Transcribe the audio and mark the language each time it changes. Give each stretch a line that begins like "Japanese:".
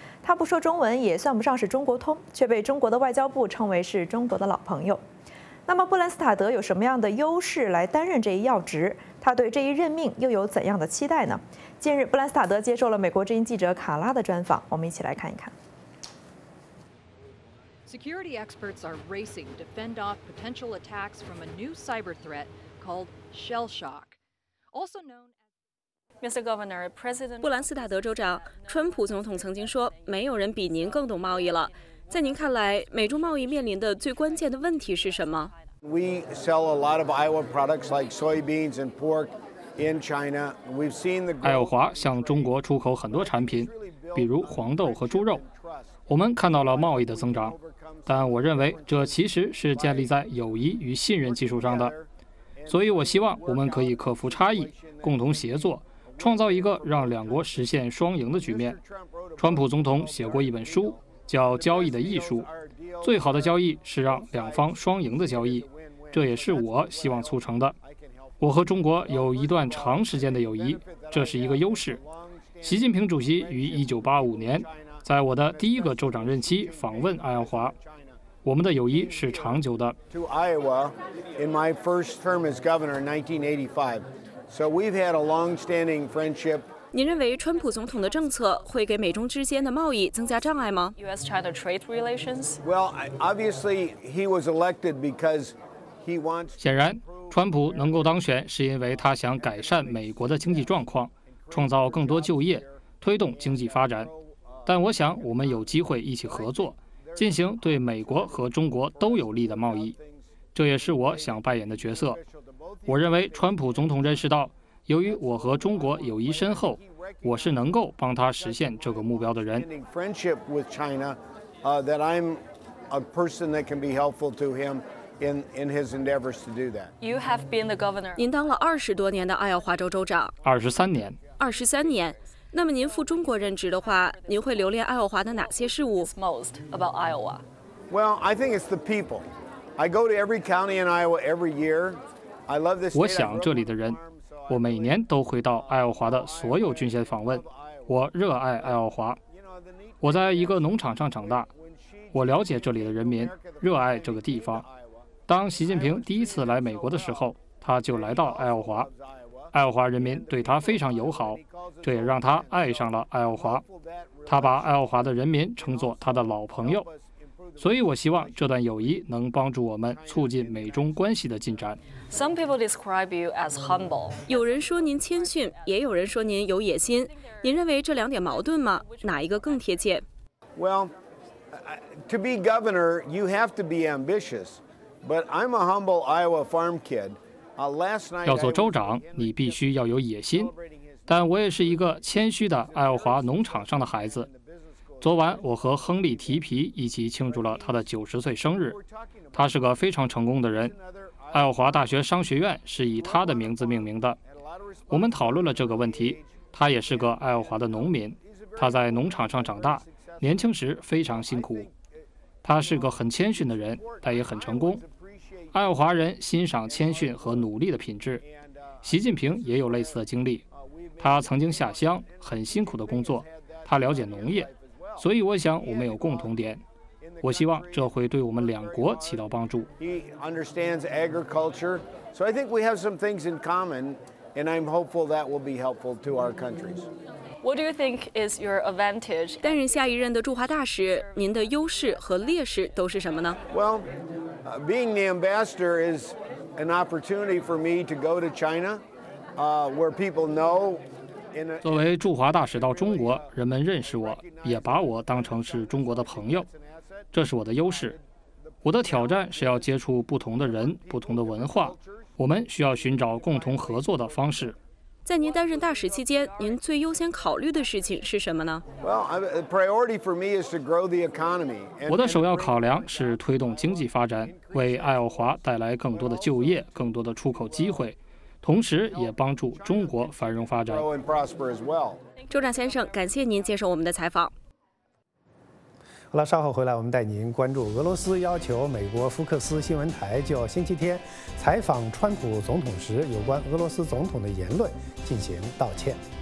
Chinese: 他不说中文，也算不上是中国通，却被中国的外交部称为是中国的老朋友。那么布兰斯塔德有什么样的优势来担任这一要职？他对这一任命又有怎样的期待呢？近日布兰斯塔德接受了美国之音记者卡拉的专访，我们一起来看一看。
English: Security experts are racing to fend off potential attacks from a new cyber threat called shell shock, also known as Mr. Governor, President.
Chinese: 布兰斯塔德州长，川普总统曾经说，没有人比您更懂贸易了。在您看来，美中贸易面临的最关键的问题是什么
English: ？We sell a lot of Iowa products like soybeans and pork in China. We've seen the
Chinese: 爱奥华向中国出口很多产品，比如黄豆和猪肉。我们看到了贸易的增长，但我认为这其实是建立在友谊与信任基础上的。所以我希望我们可以克服差异，共同协作，创造一个让两国实现双赢的局面。川普总统写过一本书，叫《交易的艺术》，最好的交易是让两方双赢的交易，这也是我希望促成的。我和中国有一段长时间的友谊，这是一个优势。习近平主席于1985年在我的第一个州长任期访问爱奥华，我们的友谊是长久的。
English: To Iowa in my first term as governor in 1985, so we've had a long-standing friendship.
Chinese: 您认为川普总统的政策会给美中之间的贸易增加障碍吗
English: ？U.S.-China trade relations. Well, obviously he was elected because he wants.
Chinese: 显然，川普能够当选是因为他想改善美国的经济状况，创造更多就业，推动经济发展。但我想，我们有机会一起合作，进行对美国和中国都有利的贸易，这也是我想扮演的角色。我认为川普总统认识到，由于我和中国友谊深厚，我是能够帮他实现这个目标的人。
English: Friendship with China, that I'm a person that can be helpful to him in his endeavors to do that. You have been the governor.
Chinese: 您当了20多年的爱奥华州州长。 23年。 23年。那么您赴中国任职的话，您会留恋爱奥华的哪些事物
English: ？Most about Iowa. Well, I think it's the people. I go to every county in Iowa every year. I love this.
Chinese: 我想这里的人，我每年都会到爱奥华的所有郡县访问。我热爱爱奥华。我在一个农场上长大，我了解这里的人民，热爱这个地方。当习近平第一次来美国的时候，他就来到爱奥华。爱奥华人民对他非常友好，这也让他爱上了爱奥华。他把爱奥华的人民称作他的老朋友，所以我希望这段友谊能帮助我们促进美中关系的进展。
English: Some people describe you as humble.
Chinese: 有人说您谦逊，也有人说您有野心。您认为这两点矛盾吗？哪一个更贴切
English: ？Well, to be governor, you have to be ambitious, but I'm a humble Iowa farm kid.
Chinese: 要做州长，你必须要有野心。但我也是一个谦虚的爱奥华农场上的孩子。昨晚我和亨利·提皮一起庆祝了他的90岁生日。他是个非常成功的人。爱奥华大学商学院是以他的名字命名的。我们讨论了这个问题。他也是个爱奥华的农民。他在农场上长大，年轻时非常辛苦。他是个很谦逊的人，但也很成功。爱华人欣赏谦逊和努力的品质。习近平也有类似的经历，他曾经下乡，很辛苦的工作，他了解农业，所以我想我们有共同点。我希望这会对我们两国起到帮助。
English: He understands agriculture, so I think we have some things in common, and I'm hopeful that will be helpful to our countries. What do you think is your advantage?
Chinese: 担任下一任的驻华大使，您的优势和劣势都是什么呢？
English: Well, being the ambassador is an opportunity for me to go to China, where people know.
Chinese: 作为驻华大使到中国，人们认识我，也把我当成是中国的朋友。这是我的优势，我的挑战是要接触不同的人、不同的文化，我们需要寻找共同合作的方式。在您担任大使期间，您最优先考虑的事情是什么呢？
English: Well, the priority for me is to grow the economy.
Chinese: 我的首要考量是推动经济发展，为爱奥华带来更多的就业、更多的出口机会，同时也帮助中国繁荣发展。州长先生，感谢您接受我们的采访。好了，稍后回来我们带您关注俄罗斯要求美国福克斯新闻台就星期天采访川普总统时有关俄罗斯总统的言论进行道歉。